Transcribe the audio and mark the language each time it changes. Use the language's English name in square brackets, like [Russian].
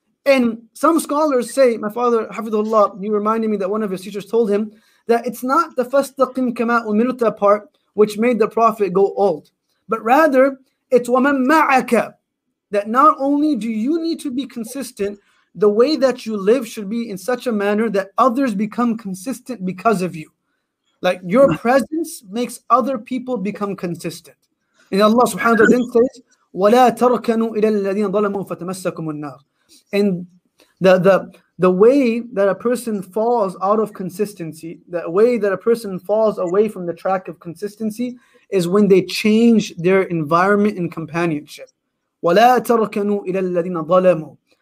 [English] And some scholars say, my father, Hafidhullah, he reminded me that one of his teachers told him that it's not the [Arabic] فَاسْتَقِمْ كَمَا أُمِرْتَ [English] part which made the Prophet go old. But rather, it's [Arabic] وَمَنْ مَعَكَ. [English] That not only do you need to be consistent, the way that you live should be in such a manner that others become consistent because of you. Like your presence makes other people become consistent. And Allah subhanahu wa ta'ala says, [Arabic] وَلَا تَرْكَنُوا إِلَى الَّذِينَ ظَلَمُوا فَتَمَسَّكُمُ النَّارِ. [English] And the way that a person falls out of consistency, the way that a person falls away from the track of consistency is when they change their environment and companionship. [Arabic] وَلَا تَرْكَنُوا إِلَى الَّذِينَ ظَلَمُوا.